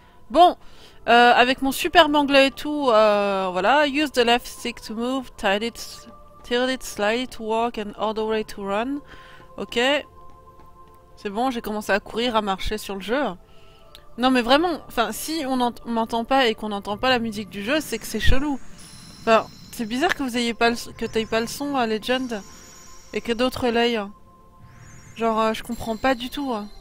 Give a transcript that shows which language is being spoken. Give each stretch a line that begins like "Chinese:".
French: Bon, avec mon super anglais et tout, voilà.
English: Use the left stick to move, tilt it slightly to walk and all the way to run. Ok.
French: C'est bon, j'ai commencé à courir, à marcher sur le jeu. Non mais vraiment, enfin si on m'entend pas et qu'on n'entend pas la musique du jeu, c'est que c'est chelou. Enfin, c'est bizarre que vous ayez pas que t'ayez pas le son à Legend et que d'autres l'aient. Genre, je comprends pas du tout.